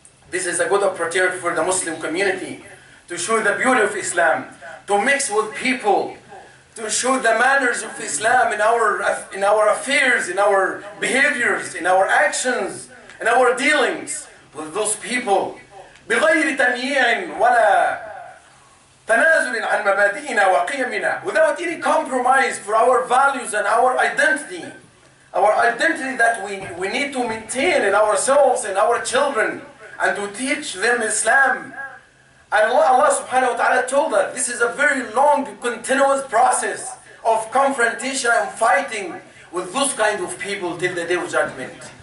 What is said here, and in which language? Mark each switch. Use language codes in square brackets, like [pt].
[en] This is a good opportunity for the Muslim community to show the beauty of Islam, to mix with people, to show the manners of Islam in our affairs, in our behaviors, in our actions, in our dealings with those people. [ar] بغير تمييع ولا تنازل عن مبادئنا وقيمنا. [en] Without any compromise for our values and our identity. Our identity that we need to maintain in ourselves and our children and to teach them Islam. And Allah subhanahu wa ta'ala told us this is a very long, continuous process of confrontation and fighting with those kind of people till the day of judgment.